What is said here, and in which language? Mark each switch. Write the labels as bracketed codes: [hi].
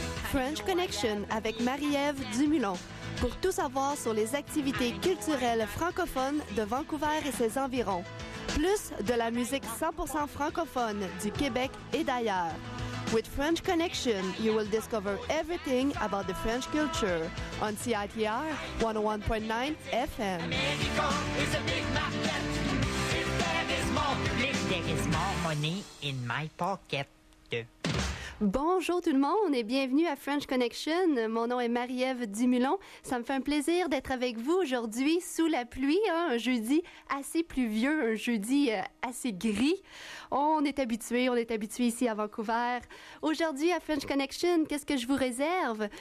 [fr] French Connection avec Marie-Ève Dumoulin pour tout savoir sur les activités culturelles francophones de Vancouver et ses environs, plus de la musique 100% francophone du Québec et d'ailleurs. [en] With French Connection, you will discover everything about the French culture on CITR 101.9 FM. America is a big market. If there is more public, there is more money in my pocket. [fr] Bonjour tout le monde et bienvenue à French Connection. Mon nom est Marie-Ève Dumoulin. Ça me fait un plaisir d'être avec vous aujourd'hui sous la pluie, hein, un jeudi assez pluvieux, un jeudi assez gris. On est habitué ici à Vancouver. Aujourd'hui à French Connection, qu'est-ce que je vous réserve?